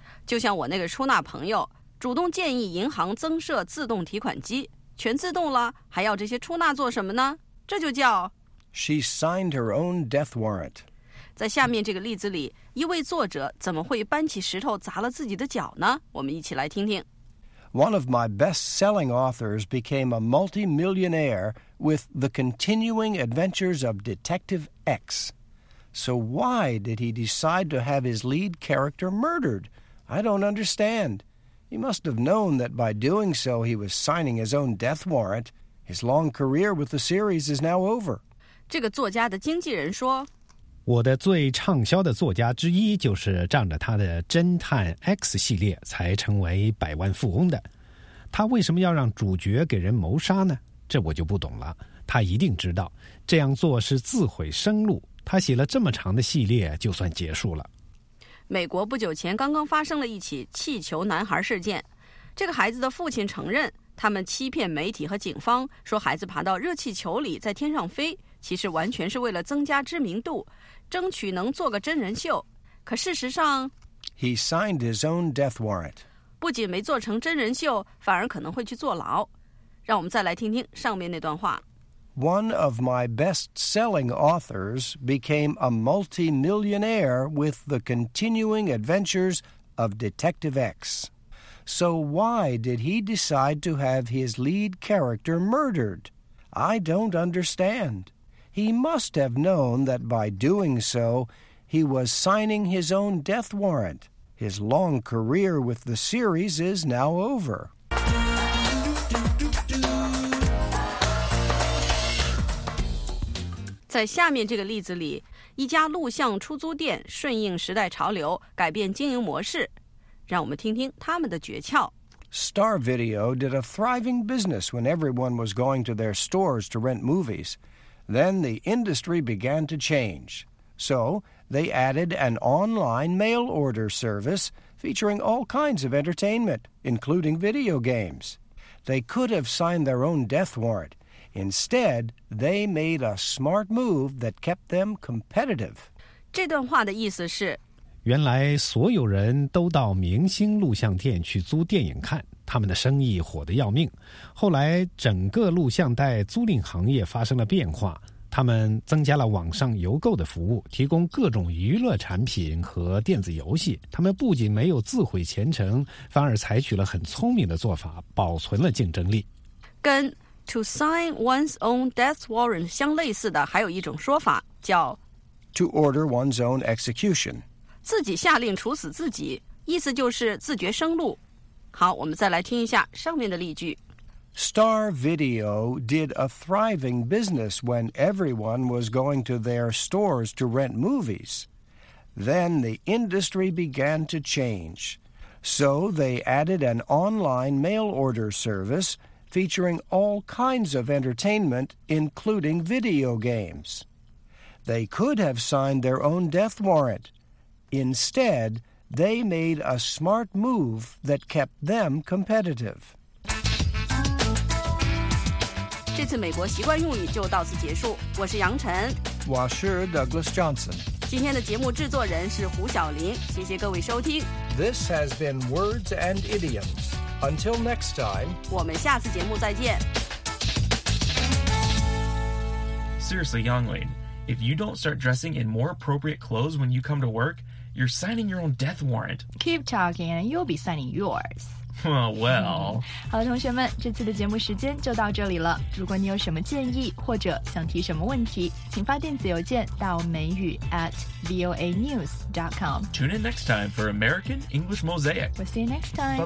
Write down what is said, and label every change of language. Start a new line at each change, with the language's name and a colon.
Chinese: 就像我那个出纳朋友主动建议银行增设自动提款机，全自动了，还要这些出纳做什么呢？这就叫
English: She signed her own death warrant.
Chinese: 在下面这个例子里，一位作者怎么会搬起石头砸了自己的脚呢？我们一起来听听。
English: One of my best-selling authors became a multi-millionaire with The Continuing Adventures of Detective X. So why did he decide to have his lead character murdered? I don't understand. He must have known that by doing so he was signing his own death warrant. His long career with the series is now over.
Chinese: 这个作家的经纪人说，我的最畅销的作家之一就是仗着他的侦探 X 系列才成为百万富翁的。他为什么要让主角给人谋杀呢？这我就不懂了。他一定知道这样做是自毁生路，他写了这么长的系列就算结束了。美国不久前刚刚发生了一起气球男孩事件，这个孩子的父亲承认他们欺骗媒体和警方，说孩子爬到热气球里在天上飞，其实完全是为了增加知名度，争取能做个真人秀。可事实上
English: He signed his own death warrant.
Chinese: 不仅没做成真人秀，反而可能会去坐牢。让我们再来听听上面那段话。
English: One of my best-selling authors became a multi-millionaire with the continuing adventures of Detective X. So why did he decide to have his lead character murdered? I don't understand. He must have known that by doing so, he was signing his own death warrant. His long career with the series is now over.
Chinese: 在下面这个例子里，一家录像出租店顺应时代潮流，改变经营模式。让我们听听他们的诀窍。
English: Star Video did a thriving business when everyone was going to their stores to rent movies. Then the industry began to change. So they added an online mail order service featuring all kinds of entertainment, including video games. They could have signed their own death warrant. Instead, they made a smart move that kept them competitive.
Chinese: 这段话的意思是，原来所有人都到明星录像店去租电影看，他们的生意火得要命。后来整个录像带租赁行业发生了变化，他们增加了网上邮购的服务，提供各种娱乐产品和电子游戏。他们不仅没有自毁前程，反而采取了很聪明的做法，保存了竞争力。跟
English: To sign one's own death warrant
Chinese: 相类似的还有一种说法叫
English: To order one's own execution.
Chinese: 自己下令处死自己，意思就是自绝生路。好，我们再来听一下上面的例句。 Star Video did a thriving business when everyone was going to their stores to rent movies. Then the industry began to change. So they added an online mail order service featuring all kinds of entertainment, including video games. They could have signed their own death warrant. Instead, they made a smart move that kept them competitive. 这次美国习惯用语就到此结束。我是杨晨。我是 Douglas Johnson。今天的节目制作人是胡晓林。谢谢各位收听。
English: This has been Words and Idioms. Until next time,
Chinese: 我们下次节目再见。
English: Seriously, Yonglin, if you don't start dressing in more appropriate clothes when you come to work, you're signing your own death warrant. Keep talking, and you'll be signing yours. Well.
Chinese: 好了，同学们，这次的节目时间就到这里了。如果你有什么建议或者想提什么问题，请发电子邮件到美语@voanews.com.
English: Tune in next time for American English Mosaic. We'll see you next time.